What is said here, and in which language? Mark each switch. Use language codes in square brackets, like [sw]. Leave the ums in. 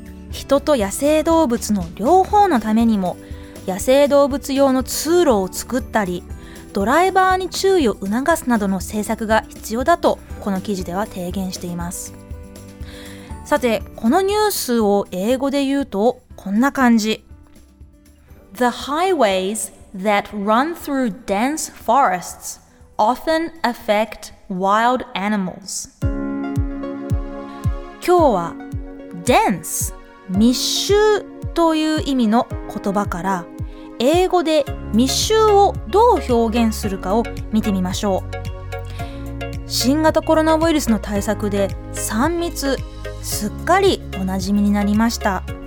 [ja] 人と野生動物の両方のためにも野生動物用の通路を作ったりドライバーに注意を促すなどの政策が必要だとこの記事では提言していますさて、このニュースを英語で言うとこんな感じ。 [en] The highways that run through dense forests often affect wild animals. [ja] 今日は dense 密集という意味の言葉から英語で密集をどう表現するかを見てみましょう。新型コロナウイルスの対策で3密すっかりおなじみになりました